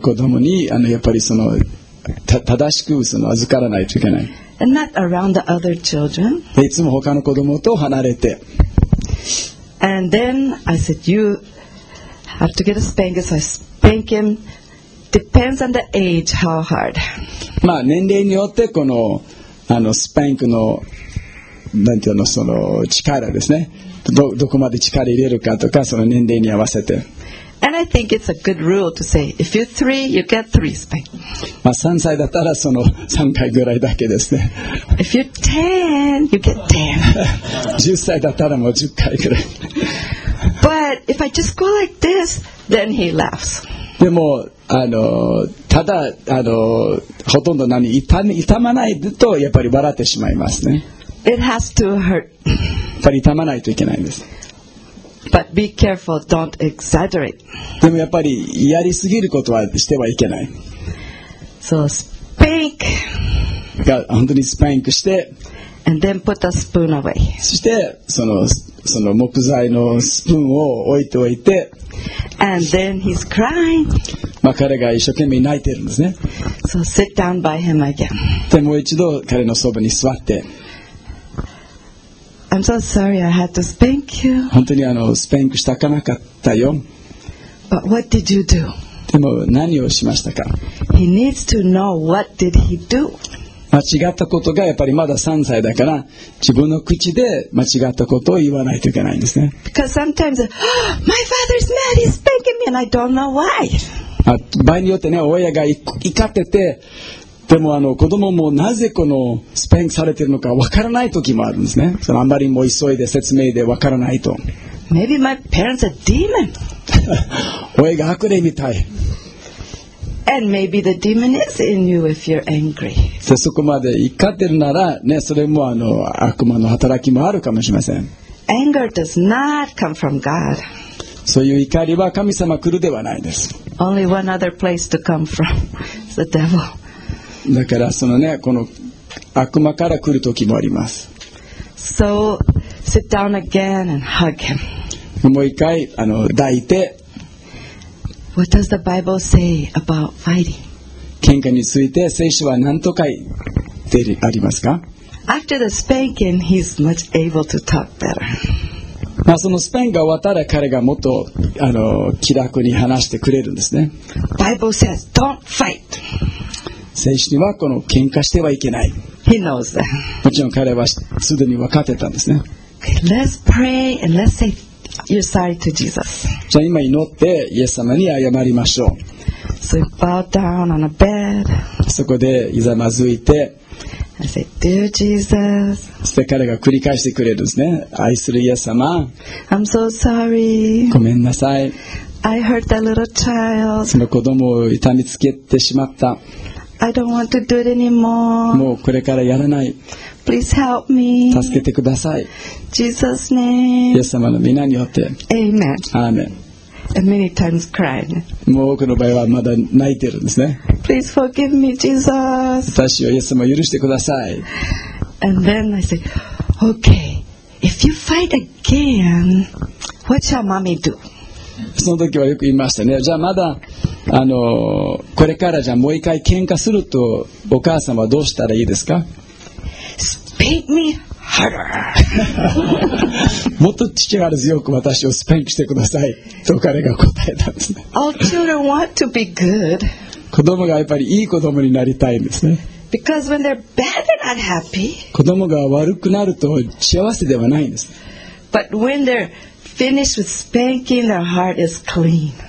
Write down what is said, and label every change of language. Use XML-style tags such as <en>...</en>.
<ja>子供にやっぱり正しく預からないといけない。</ja> <en>And not around the other children.</en> <ja>いつも他の子供と離れて。</ja> <en>And then I said, you have to get a spanking, so I spank him. Depends on the age, how hard.</en> <ja>まあ年齢によってこのスパンクのなんていうのその力ですね。どこまで力入れるかとかその年齢に合わせて。</ja> <en>And I think it's a good rule to say if you're three, you get three spanking.</en> <ja>まあ3歳だったらその3回ぐらいだけですね。</ja> <en>If you're ten, you get ten.</en> <ja>10歳だったらもう10回ぐらい。</ja> <en>But if I just go like this, then he laughs.</en> <ja>でもただほとんど何痛まないとやっぱり笑ってしまいますね。</ja> <en>It has to hurt.</en> <ja>やっぱり痛まないといけないんです。</ja> <en>But be careful, don't exaggerate.</en> <ja>でもやっぱりやりすぎることはしてはいけない。</ja> <en>So spank.</en> <ja>本当にスパンクして。</ja> <en>And then put a spoon away.</en> <ja>そしてその木材のスプーンを置いておいて。</ja> <en>And then he's crying.</en> <ja>まあ彼が一生懸命泣いてるんですね。</ja> <en>So sit down by him again.</en> <ja>でもう一度彼のそばに座って。</ja> <en>I'm so sorry I had to spank you.</en> <ja>本当にスパンクしたかなかったよ。</ja> <en>But what did you do?</en> <ja>でも何をしましたか?</ja> <en>He needs to know what did he do.</en> <ja>間違ったことがやっぱりまだ3歳だから自分の口で間違ったことを言わないといけないんですね。</ja> <en>Because sometimes, my father's mad, he's spanking me and I don't know why.</en> <ja>場合によってね、親が怒ってて、でも子供もなぜこのスパンクされているのかわからない時もあるんですね。そのあんまりもう急いで説明でわからないと。</ja> <en>Maybe my parents are demon.</en> <ja>親が悪霊みたい。</ja> <en>And maybe the demon is in you if you're angry.</en> <ja>そこまで怒ってるならね、それも悪魔の働きもあるかもしれません。</ja> <en>Anger does not come from God.</en> <ja>そういう怒りは神様来るではないです。</ja> <en>Only one other place to come from is the devil.</en> <ja>だからそのね、この悪魔から来る時もあります。</ja> <en>So, sit down again and hug him.</en> <ja>もう一回抱いて。</ja> <en>What does the Bible say about fighting?</en> <ja>喧嘩について聖書は何と書いてありますか?</ja> <en>After the spanking, he's much able to talk better.</en> <ja>まあそのスパンが終わったら彼がもっと気楽に話してくれるんですね。</ja> <en>Bible says, don't fight.</en> <ja>聖書にはこの喧嘩してはいけない。</ja> <en>He knows that.</en> <ja>もちろん彼はすでに分かってたんですね。</ja> <en>Okay, let's pray and let's say you're sorry to Jesus.</en> <ja>じゃあ今祈ってイエス様に謝りましょう。</ja> <en>So he bowed down on a bed.</en> <ja>そこでいざまずいて。</ja> <en>I said, Dear Jesus.</en> <ja>そして彼が繰り返してくれるんですね。愛するイエス様。</ja> <en>I'm so sorry.</en> <ja>ごめんなさい。</ja> <en>I hurt that little child.</en> <ja>その子供を痛みつけてしまった。</ja> <en>I don't want to do it anymore.</en> <ja>もうこれからやらない。</ja> <en>Please help me.</en> <ja>助けてください。</ja> <en>Jesus' name.</en> <ja>イエス様の皆によって。</ja> <en>Amen. Amen. And many times cried.</en> <ja>もう多くの場合はまだ泣いてるんですね。</ja> <en>Please forgive me, Jesus.</en> <ja>私をイエス様許してください。</ja> <en>And then I said, Okay, if you fight again, what shall mommy do?</en> <ja>その時はよく言いましたね。じゃあまだこれからじゃあもう一回喧嘩するとお母さんはどうしたらいいですか。</ja> <en>Spank me harder.</en> <ja>もっと力強く私をスパンクしてくださいと彼が答えたんですね。</ja> <en>All children want to be good.</en> <ja>子供がやっぱりいい子供になりたいんですね。</ja> <en>Because when they're bad, they're not happy.</en> <ja>子供が悪くなると幸せではないんです。</ja> <en>But when they'reFinish with spanking, their heart is clean.</en>